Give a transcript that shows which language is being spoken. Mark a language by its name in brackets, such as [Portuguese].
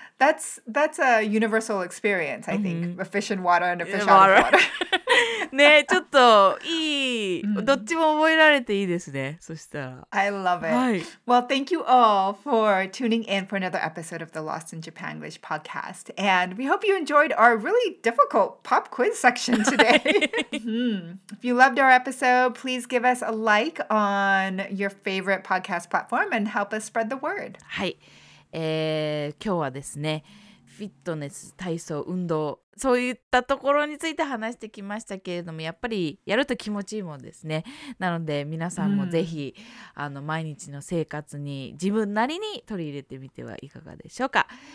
[English] That's a universal experience, I think. A fish in water and a fish out of water. [Japanese] ね、ちょっといい、うん、どっちも覚えられていいですね。そしたら。 [English] I love it.、はい、well, thank you all for tuning in for another episode of the Lost in Japan English podcast. And we hope you enjoyed our really difficult pop quiz section today. 、mm. If you loved our episode, please give us a like on your favorite podcast platform and help us spread the word. [Japanese] はい、今日はですね、フィットネス、体操、運動、そういったところについて話してきましたけれども、やっぱりやると気持ちいいもんですね。なので皆さんもぜひ、うん、あの毎日の生活に自分なりに取り入れてみてはいかがでしょうか。